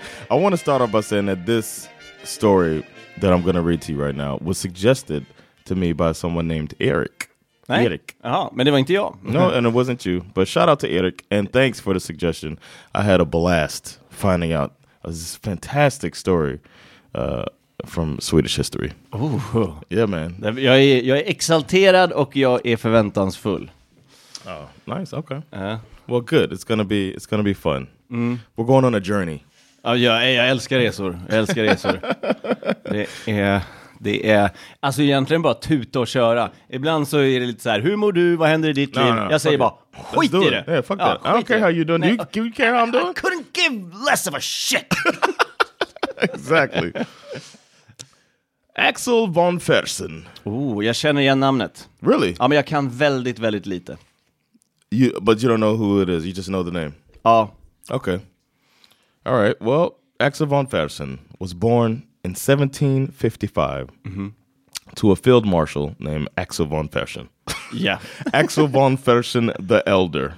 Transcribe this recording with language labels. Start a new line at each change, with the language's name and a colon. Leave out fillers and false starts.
English: I want to start off by saying that this story that I'm going to read to you right now was suggested to me by someone named Eric.
Swedish: Nej.
English: Eric.
Swedish: Aha, men det var inte jag.
English: No, and it wasn't you. But shout out to Eric, and thanks for the suggestion. I had a blast finding out this fantastic story from Swedish history. Ooh. Yeah, man.
Swedish: Jag är exalterad och jag är förväntansfull.
English: Oh, nice. Okay. Well, good. It's gonna be fun. Mm. We're going on a journey.
Swedish: Jag älskar resor. Jag älskar resor. Det är alltså egentligen bara tuta och köra. Ibland så är det lite så här, hur mår du? Vad händer i ditt liv?
English: No,
Swedish: jag säger
English: it.
Swedish: Bara skit
English: Let's do
Swedish: i det.
English: Yeah, fuck that. I don't care how you doing. Do you care how I'm doing? I couldn't give less of a shit. Exactly. Axel von Fersen.
Swedish: Ooh, jag känner igen namnet.
English: Really?
Swedish: Ja, men jag kan väldigt väldigt lite.
English: But you don't know who it is. You just know the name.
Swedish: Ja.
English: Okay. All right. Well, Axel von Fersen was born in 1755 to a field marshal named Axel von Fersen. Yeah. Axel von Fersen the Elder.